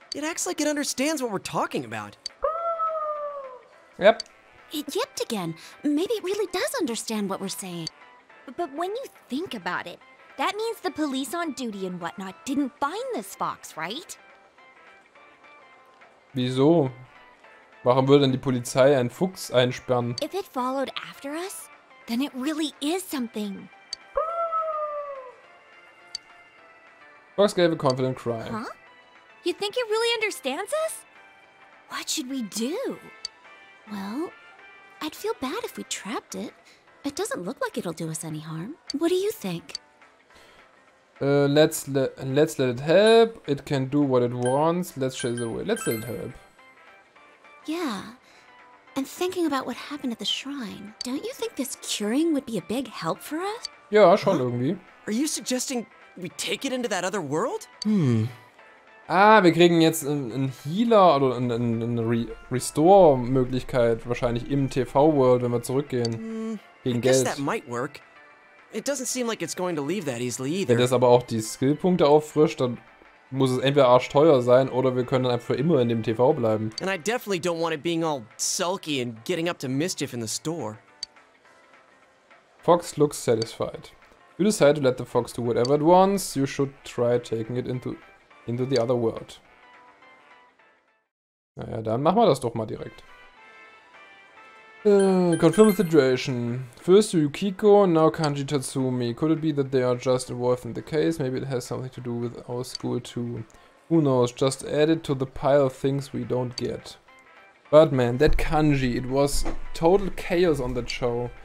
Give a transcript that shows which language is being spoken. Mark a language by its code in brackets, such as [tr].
[en] It acts like it understands what we're talking about. Yep. It yipped again. Maybe it really does understand what we're saying. But when you think about it, that means the police on duty and whatnot didn't find this fox, right? [de] Wieso? Warum würde denn die Polizei einen Fuchs einsperren? [en] If it followed after us, then it really is something. Fox gave a confident cry. Huh? You think it really understands us? What should we do? Well, I'd feel bad if we trapped it. It doesn't look like it'll do us any harm. What do you think? Let's let it help. It can do what it wants. Let's chase it away. Let's let it help. Yeah. And thinking about what happened at the shrine, don't you think this curing would be a big help for us? [de] Yeah, schon irgendwie. [en] Are you suggesting... We take it into that other world? [de] Wir kriegen jetzt einen Healer oder eine Restore-Möglichkeit wahrscheinlich im TV-World, wenn wir zurückgehen. Gegen [en] I guess [de] Geld. [en] That might work. It doesn't seem like it's going to leave that easily either. [de] Wenn das aber auch die Skillpunkte auffrischt, dann muss es entweder arschteuer sein oder wir können dann einfach immer in dem TV bleiben. [en] And I definitely don't want it being all sulky and getting up to mischief in the store. Fox looks satisfied. You decide to let the fox do whatever it wants, you should try taking it into the other world. [de] Naja, dann machen wir das doch mal direkt. [en] Confirm the situation. First Yukiko, now Kanji Tatsumi. Could it be that they are just involved in the case? Maybe it has something to do with our school too. Who knows, just add it to the pile of things we don't get. Birdman, that kanji, it was total chaos on that show.